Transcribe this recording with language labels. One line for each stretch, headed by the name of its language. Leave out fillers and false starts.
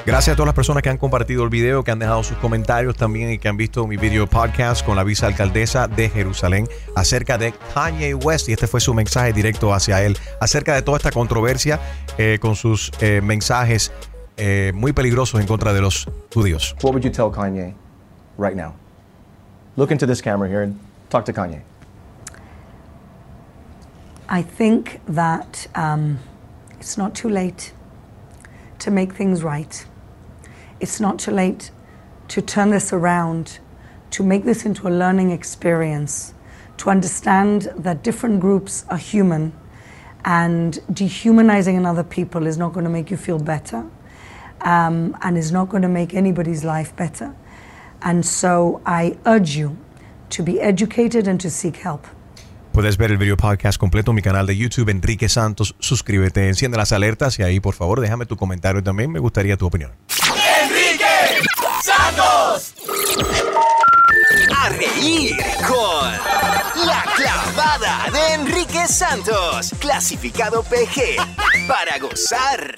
Spanish: Gracias a todas las personas que han compartido el video, que han dejado sus comentarios también y que han visto mi video podcast con la vicealcaldesa de Jerusalén acerca de Kanye West. Y este fue su mensaje directo hacia él acerca de toda esta controversia con sus mensajes muy peligrosos en contra de los judíos.
English: What would you tell Kanye right now? Look into this camera here and talk to Kanye. I think that it's not too late to make things right. It's not too late to turn this around, to make this into a learning experience, to understand that different groups are human, and dehumanizing another people is not going to make you feel better, and is not going to make anybody's life better. And so I urge you to be educated and to seek help.
Spanish: Puedes ver el video podcast completo en mi canal de YouTube, Enrique Santos. Suscríbete, enciende las alertas y ahí, por favor, déjame tu comentario también. Me gustaría tu opinión. ¡Enrique Santos! A reír con la clavada de Enrique Santos, clasificado PG, para gozar.